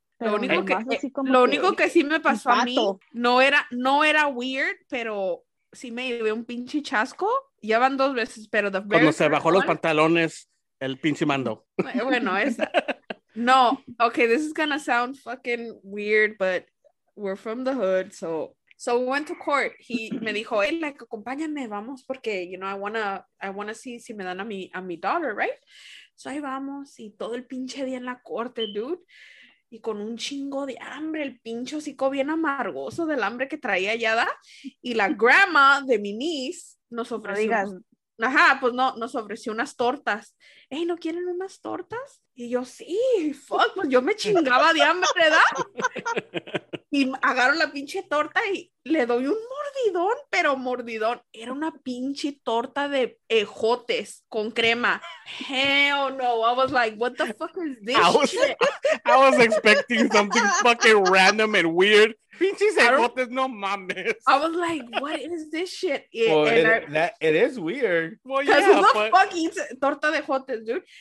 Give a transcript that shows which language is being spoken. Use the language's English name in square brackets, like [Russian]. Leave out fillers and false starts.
[Spanish] Pero lo único que sí me pasó a mí, no era weird, pero sí me llevé un pinche chasco. Ya van dos veces, pero cuando se bajó los pantalones, el pinche mando. Bueno, esa. [English] No, okay, this is gonna sound fucking weird, but we're from the hood, so we went to court. He [Spanish] me dijo, [English] hey, like, [Spanish] acompáñame, vamos, porque, [English] you know, I wanna see [Spanish] si me dan a mi [English] daughter, right? [Spanish] So ahí vamos, y todo el pinche día en la corte, dude. Y con un chingo de hambre, el pincho hocico bien amargoso del hambre que traía Yada. Y la grandma de mi niece nos ofreció. No, ajá, pues no, nos ofreció unas tortas. Ey, ¿no quieren unas tortas? Y yo, sí, fuck, pues yo me chingaba de hambre, ¿verdad? Y agarro la pinche torta y le doy un mordidón, pero mordidón. Era una pinche torta de ejotes con crema. [English] Hell no, I was like, what the fuck is this shit? I was expecting something fucking random and weird. [Spanish] Pinches ejotes, no mames. [English] I was like, what is this shit? Well, it is weird. Because who the fuck eats [Spanish] torta de ejotes, [English] dude?